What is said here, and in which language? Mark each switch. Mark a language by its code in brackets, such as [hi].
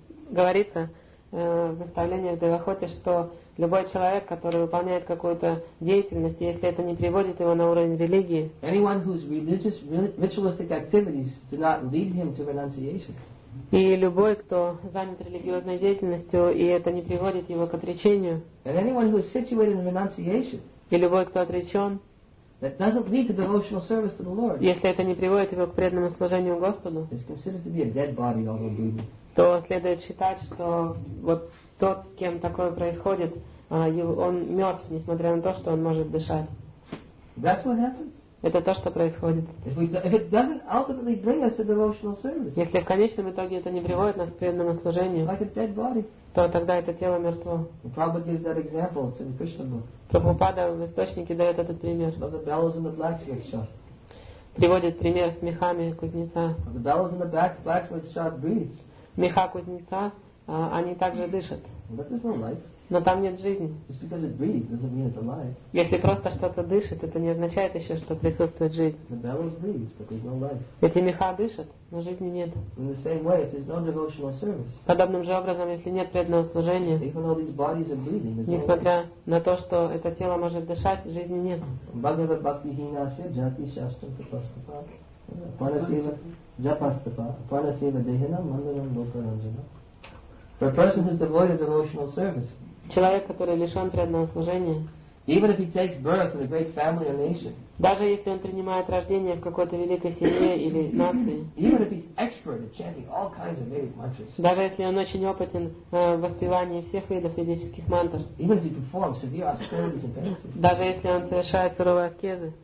[ru] Говорится в наставлениях Девахоти, что любой человек, который выполняет какую-то деятельность, если это не приводит его на уровень религии, [en] anyone whose religious ritualistic activities do not lead him to renunciation. [ru] И любой, кто занят религиозной деятельностью, и это не приводит его к отречению. [en] And anyone who is situated in renunciation. [ru] И любой, кто отречен. [en] That doesn't lead to devotional service to the Lord. [ru] Если это не приводит его к преданному служению Господу, [en] is considered to be a dead body, although breathing. [ru] То следует считать, что вот тот, с кем такое происходит, он мертв, несмотря на то, что он может дышать. [en] That's what happens. [ru] Это то, что происходит. [en] If it doesn't ultimately bring us to devotional service, [ru] если в конечном итоге это не приводит нас к преданному служению, [en] like a dead body, [ru] то тогда это тело мертво. [en] Prabhupada gives that example. It's in the Krishna book. [ru] Прабхупада в источнике дает этот пример. [en] Of the bellows in the blacksmith shop. [ru] Приводит пример с мехами кузнеца. [en] The bellows in the blacksmith shop breathes. [ru] Меха кузнеца, они также дышат. [en] But there's no life. [ru] Но там нет жизни. [en] Just because it breathes doesn't mean it's alive. [ru] Если просто что-то дышит, это не означает еще, что присутствует жизнь. [en] The bellows breathes, but there's no life. [ru] Эти меха дышат, но жизни нет. [en] In the same way, if there's no devotional service, [ru] подобным же образом, если нет преданного служения, [en] even though these bodies are breathing, there's no life. [ru] Несмотря на то, что это тело может дышать, жизни нет. [sa] Bhagavad Bhakti Hinasya Jati Shastra Tapastapa Panasiva Japastapa Panasiva Dehina Mandanam Bokaranjana. [en] For a person who's devoid of devotional service, [ru] человек, который лишен преданного служения, [en] even if he takes birth in a great family or nation, [ru] даже если он принимает рождение в какой-то великой семье или нации, [en] even if he's expert at chanting all kinds of Vedic mantras, [ru] даже если он очень опытен в воспевании всех видов ведических мантр, [en] even if he performs severe austerities and penances, [ru] даже если он совершает суровые аскезы,